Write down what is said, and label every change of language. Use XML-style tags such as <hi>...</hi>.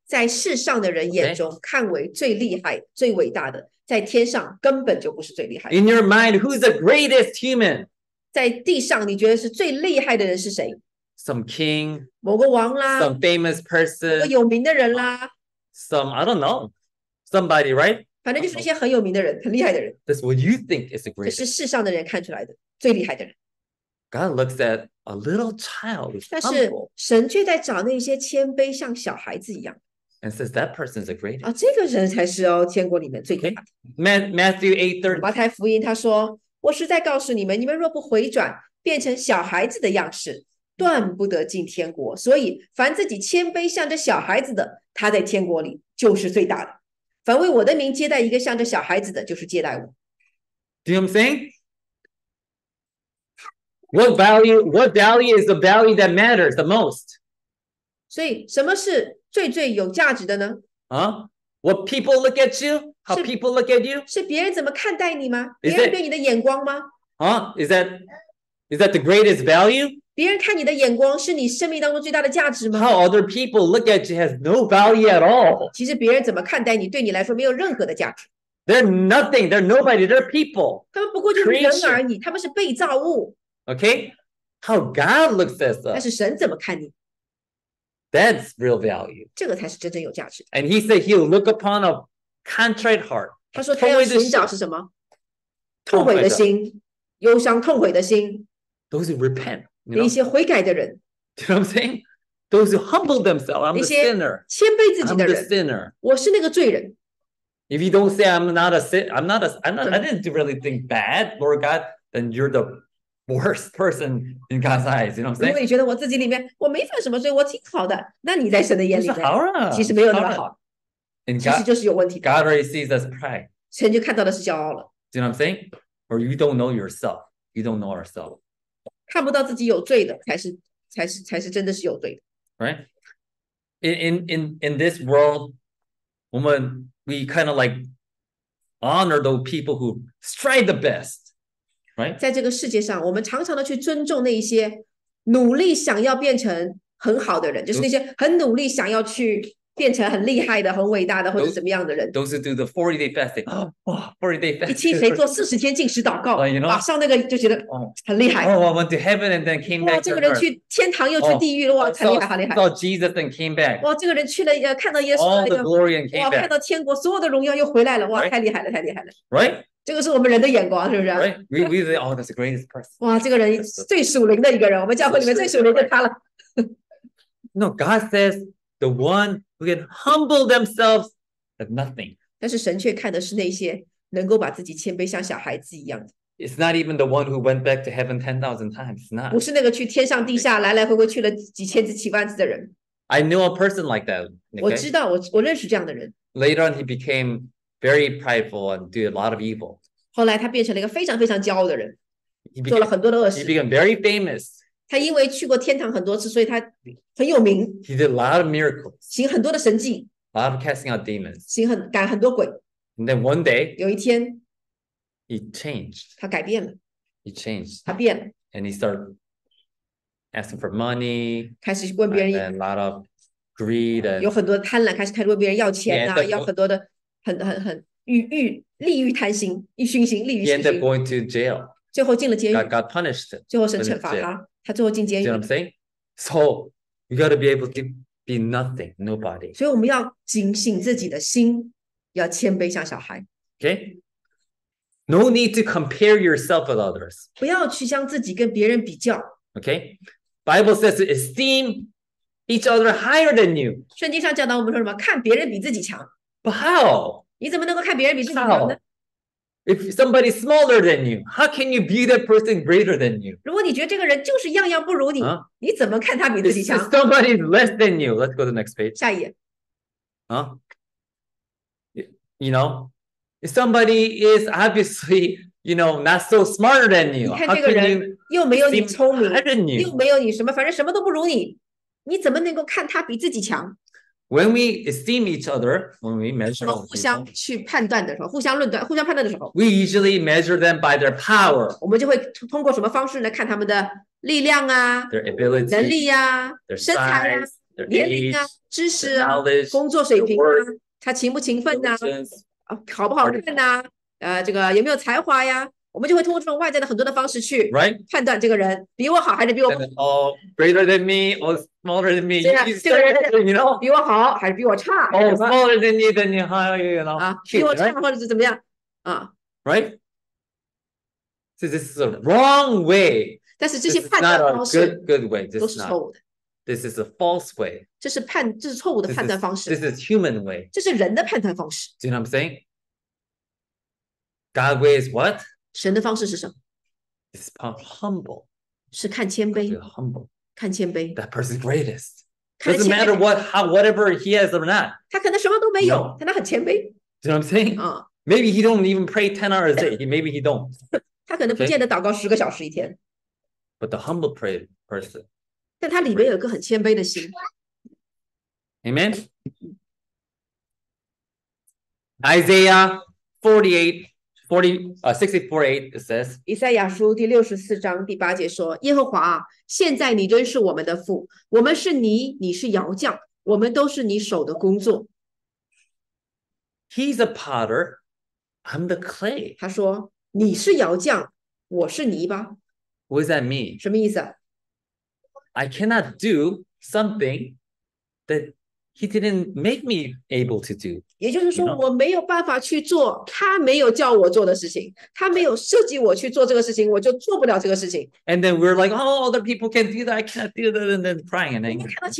<zh>在世上的人眼中、</zh> <en>okay.</en> <zh>看为最厉害、最伟大的，在天上根本就不是最厉害。</zh> <en>In your mind, who's the greatest human?</en> <zh>在地上你觉得是最厉害的人是谁？</zh> <en>Some king.</en> <zh>某个王啦。</zh> <en>Some famous person.</en> <zh>某个有名的人啦。</zh> <en>Some, I don't know, somebody, right?</en> <zh>反正就是那些很有名的人，很厉害的人。</zh> <en>That's what you think is the greatest.</en> <zh>这是世上的人看出来的，最厉害的人。</zh> <en>God looks at a little child.</en> <zh>但是神却在找那些谦卑像小孩子一样。</zh> <en>And says that person is the greatest.</en> <zh>啊，这个人才是哦，天国里面最厉害的。</zh> <en>Matthew 8:30.</en> <zh>马太福音他说，我实在告诉你们，你们若不回转，变成小孩子的样式。断不得进天国，所以凡自己谦卑像这小孩子的，他在天国里就是最大的。凡为我的名接待一个像这小孩子的，就是接待我。</zh> <en>Do you know what I'm saying? What value is the value that matters the most?</en> <zh>所以什么是最最有价值的呢？</zh> <en>What people look at you? How people look at you?</en> <zh>是别人怎么看待你吗？别人对你的眼光吗？</zh> <en>Is that Is that the greatest value?</en> <zh>别人看你的眼光是你生命当中最大的价值吗？</zh> <en>How other people look at you has no value at all.</en> <zh>其实别人怎么看待你，对你来说没有任何的价值。</zh> <en>They're nothing. They're nobody. They're people.</en> <zh>他们不过就是人而已。他们是被造物。</zh> <en>Okay, how God looks at us.</en> <zh>但是神怎么看你？</zh> <en>That's real value.</en> <zh>这个才是真正有价值的。</zh> <en>And He said He'll look upon a contrite heart.</en> <zh>他说他要寻找是什么？痛悔的心，忧伤痛悔的心。</zh> <en>Those who repent.</en> <zh>那些悔改的人。</zh> <en>You know what I'm saying? Those who humble themselves. I'm the sinner.</en> <zh>谦卑自己的人。</zh> <en>I'm the sinner.</en> <zh>我是那个罪人。</zh> <en>If you don't say I didn't do really think bad, Lord God, then you're the worst person in God's eyes. You know what I'm saying?</en> <zh>如果你觉得我自己里面我没犯什么罪，我挺好的，那你在神的眼里好啊，其实没有那么好。</zh> <en>And God,</en> <zh>其实就是有问题。</zh> <en>God already sees us pride.</en> <zh>神就看到的是骄傲了。</zh> <en>Do you know what I'm saying? Or you don't know yourself. You don't know ourselves.</en> <zh>看不到自己有罪的，才是真的是有罪的。</zh> <en>Right? In this world,</en> <zh>我们</zh> <en>We kind of like honor those people who strive the best, right?</en> <zh>在这个世界上，我们常常的去尊重那些努力想要变成很好的人，就是那些很努力想要去变成很厉害的、很伟大的或者什么样的人。</zh> <en>Those who do the 40-day fasting, 40-day fasting.</en> <zh>一听谁做40天禁食祷告，</zh> <en>you know,</en> <zh>马上那个就觉得很厉害。</zh> <en>Oh, I went to heaven and then came back.</en> <zh>哇，这个人去天堂又去地狱了，哇，很厉害，很厉害。</zh> <en>Saw Jesus and came back.</en> <zh>哇，这个人去了看到耶稣</zh> <en>，All the glory and came back.</en> <zh>哇，看到天国所有的荣耀又回来了，哇，太厉害了，太厉害了。</zh> <en>Right?</en> <zh>这个是我们人的眼光，是不是</zh> <en>？Right? We say, oh, that's the greatest person.</en> <zh>哇，这个人最属灵的一个人，我们教会里面最属灵的他了。</zh> <en>No, God says the one. We can humble themselves at nothing. 但是神却看的是那些能够把自己谦卑像小孩子一样的。 It's not even the one who went back to heaven 10,000 times. Not.</en> <zh>不是那个去天上地下来来回回去了几千次几万次的人。</zh> <en>I knew a person like that.</en> <zh>我知道，我认识这样的人。</zh> <en>Later on, he became very prideful and did a lot of evil.</en> <zh>后来他变成了一个非常非常骄傲的人，做了很多的恶事。</zh> <en>He became very famous.</en> <zh>他因为去过天堂很多次，所以他很有名。</zh> <en>He did a lot of miracles.</en> <zh>行很多的神迹。</zh> <en>A lot of casting out demons.</en> <zh>行很赶很多鬼。</zh> <en>And then one day,</en> <zh>有一天</zh> <en>he changed.</en> <zh>他改变了。</zh> <en>He changed.</en> <zh>他变了。</zh> <en>And he started asking for money.</en> <zh>开始问别人。</zh> <en>And a lot of greed. And</en> <zh>有很多贪婪，开始问别人要钱啊，要很多的很欲利欲贪心，欲熏心，利欲熏心。</zh> <en>He ended up going to jail.</en> <zh>最后进了监狱。</zh> <en>God punished him.</en> <zh>最后神惩罚他。他最后进监狱。</zh> <en>You know what I'm saying? So you got to be able to be nothing, nobody.</en> <zh>所以我们要警醒自己的心，要谦卑像小孩。</zh> <en>Okay. No need to compare yourself with others.</en> <zh>不要去将自己跟别人比较。</zh> <en>Okay. Bible says to esteem each other higher than you.</en> <zh>圣经上教导我们说什么？看别人比自己强。</zh> <en>But how?</en> <zh>你怎么能够看别人比自己强呢？</zh> <en>If somebody's smaller than you, how can you view that person greater than you?</en> <zh>如果你觉得这个人就是样样不如你，你怎么看他比自己强？</zh> <en>If somebody's less than you, let's go to the next page.</en> <zh>下一页。</zh> <en>You know, if somebody is obviously, you know, not so smarter than you,</en> <zh>你看这个人</zh> <en>how can you</en> <zh>又没有你聪明</zh> <en>higher than you?</en> <zh>又没有你什么，反正什么都不如你，你怎么能够看他比自己强？</zh> <en>When we esteem each other, when we measure people,</en> <zh>互相去判断的时候，互相论断，互相判断的时候</zh> <en>，we usually measure them by their power.</en> <zh>我们就会通过什么方式来看他们的力量啊</zh> <en>，their ability,</en> <zh>能力呀、啊、</zh> <en>，their</en> <zh>身材呀、啊、</zh> <en>their age,</en> <zh>年龄啊、知识啊、</zh> <en>knowledge,</en> <zh>工作水平啊、</zh> <en>work,</en> <zh>他勤不勤奋呐、啊、好不好看呐、啊、这个有没有才华呀？我们就会通过这种外在的很多的方式去判断这个人、</zh> <en>right?</en> <zh>比我好还是比我不好。</zh> <en>Oh, greater than me or smaller than me.</en> <zh>这个人</zh> <en>you know?</en> <zh>比我好还是比我差。</zh> <en>Oh, smaller than you, then you hire you, you know.</en> <zh>比我差或者是怎么样。</zh> <en>Right? So this is a wrong way.</en> <zh>但是这些判断方式</zh> <en>good way. This</en> <zh>都是错误的。</zh> <en>This is a false way.</en> <zh>这是错误的判断方式。</zh> <en>This is human way.</en> <zh>这是人的判断方式。</zh> <en>Do you know what I'm saying? God's way is what?</en> <zh>神的方式是什么</zh> <en>？It's about humble.</en> <zh>是看谦卑。</zh> <en>Humble.</en> <zh>看谦卑。</zh> <en>That person's greatest. Doesn't matter what, how, whatever he has or not.</en> <zh>他可能什么都没有，但他很谦卑。</zh> <en>You know what I'm saying? Maybe he don't even pray 10 hours a day. Maybe he don't.</en> <zh>他可能不见得祷告十个小时一天。</zh> <en>But the humble pray person.</en> <zh>但他里面有个很谦卑的心。</zh> <en>Amen. Isaiah 48. 64:8 it says,</en> <zh>以赛亚书第64章第8节说, 耶和华啊, 现在你仍是我们的父, 我们是你, 你是窑匠, 我们都是你手的工作。</zh> <en>He's a potter, I'm the clay.</en> <zh>他说, 你是窑匠, 我是泥巴。</zh> <en>What does that mean?</en> <zh>什么意思?</zh> <en>I cannot do something that He didn't make me able to do.</en> <zh>也就是说我没有办法去做他没有叫我做的事情，他没有设计我去做这个事情，我就做不了这个事情。</zh> <en>And then we're like, oh, other people can do that, I can't do that, and then crying and angry.</en>